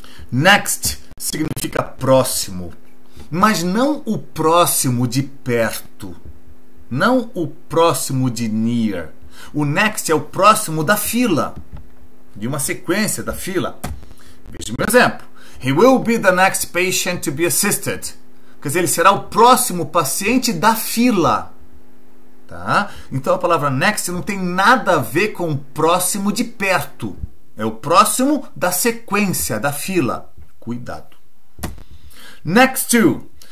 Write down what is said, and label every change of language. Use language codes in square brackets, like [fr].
[pt] Next significa próximo, mas não o próximo de perto, não o próximo de near. O next é o próximo da fila, de uma sequência da fila. Veja o meu exemplo. [en] He will be the next patient to be assisted. [pt] Quer dizer, ele será o próximo paciente da fila. Tá? Então a palavra next não tem nada a ver com próximo de perto. É o próximo da sequência, da fila. Cuidado. Next to.